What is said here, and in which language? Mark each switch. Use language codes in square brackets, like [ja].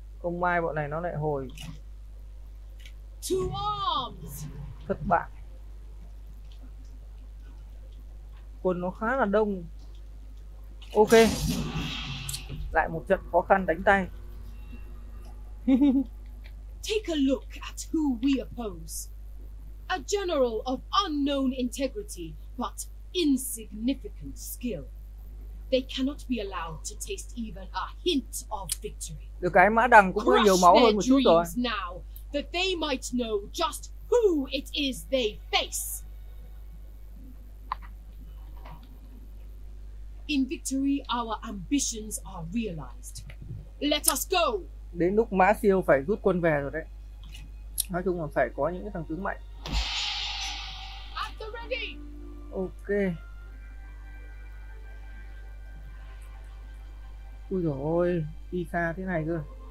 [vi] Không may bọn này nó lại hồi. [en] To arms. [vi] Thất bại. Quân nó khá là đông. Ok. Lại một trận khó khăn đánh tay. [en] Take a look at who we oppose. A general of unknown integrity, but insignificant skill. They cannot be allowed to taste even a hint of victory. [vi] Được cái mã đằng cũng có nhiều máu hơn một chút rồi. [en] Now, that they might know just who it is they face. In victory, our ambitions are realized. Let us go. [vi] Đến lúc mã siêu phải rút quân về rồi đấy. Nói chung là phải có những thằng tướng mạnh. [en] At the ready. [vi] Ok. Ui dồi ôi, đi xa thế này cơ.